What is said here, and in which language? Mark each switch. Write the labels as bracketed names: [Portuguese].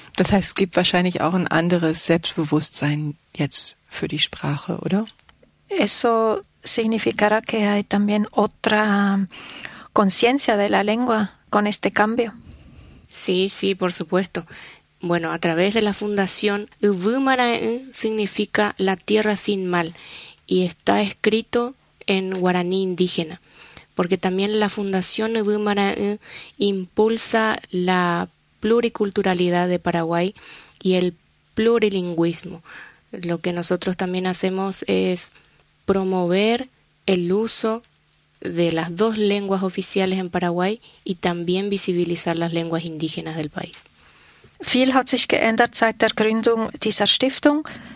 [German] Das heißt, es gibt wahrscheinlich auch ein anderes Selbstbewusstsein jetzt für die Sprache, oder? [Spanish] Eso significará que hay también otra conciencia de la lengua con este cambio. Sí, sí, por supuesto. Bueno, a través de la fundación, Uvumara'en significa la tierra sin mal y está escrito en guaraní indígena, porque también la fundación Uvumara'en impulsa la pluriculturalidad de Paraguay y el plurilingüismo. Lo que nosotros también hacemos es promover el uso de las 2 lenguas oficiales en Paraguay y también visibilizar las lenguas indígenas del país. [German] Viel hat sich geändert seit der Gründung dieser Stiftung.